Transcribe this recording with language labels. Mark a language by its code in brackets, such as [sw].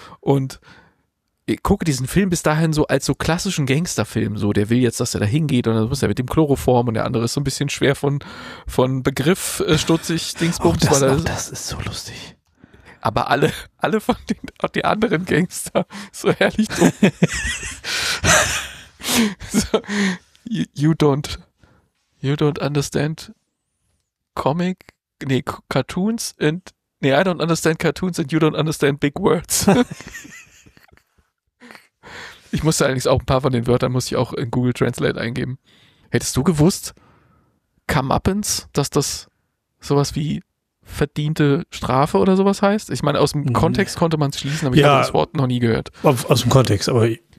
[de] Und ich gucke diesen Film bis dahin so als so klassischen Gangsterfilm, so der will jetzt, dass er da hingeht und dann muss er mit dem Chloroform und der andere ist so ein bisschen schwer von Begriff stutzig, Dingsbums. Oh, das ist so lustig. Aber alle von den, auch die anderen Gangster, so herrlich dumm. [en] So, you don't understand Comic, nee, Cartoons and, nee, I don't understand Cartoons and you don't understand big words. [de] Ich musste allerdings auch ein paar von den Wörtern, muss ich auch in Google Translate eingeben. Hättest du gewusst, comeuppance, dass das sowas wie verdiente Strafe oder sowas heißt? Ich meine, aus dem Kontext konnte man es schließen, aber ich habe das Wort noch nie gehört. Aus dem Kontext, aber